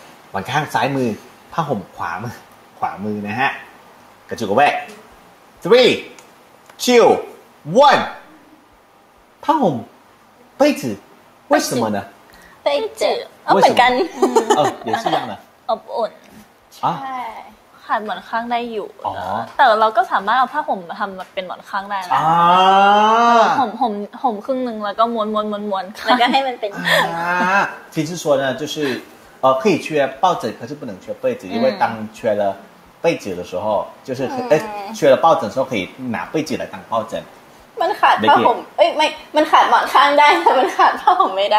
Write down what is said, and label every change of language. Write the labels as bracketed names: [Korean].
[Thai] หมอนข้างซ้ายมือผ้าห่มขวามือนะฮะกระจุกแวก3 2 1ผ้าห่มเป้จื้อ [Chinese] 为什么呢 [Thai] เ ป้จื้อเหมือนกัน [Chinese] เออ也是一样的 [Thai] อบอุ่น ใช่ค่ะหมอนข้างได้อยู่แต่เราก็สามารถเอาผ้าห่มทำแบบเป็นหมอนข้างได้แล้วห่มครึ่งนึงแล้วก็ม้วน แล้วก็ให้มันเป็น [Chinese] ที่ที่说呢就是可以缺抱枕可是不能缺被子因为当缺了被子的时候就是缺了抱枕的时候可以拿被子来当抱枕 [Thai] มันขาดผ้าห่มเอ้ยไม่มันขาดหมอนข้างได้แต่มันขาดผ้าห่มไม่ได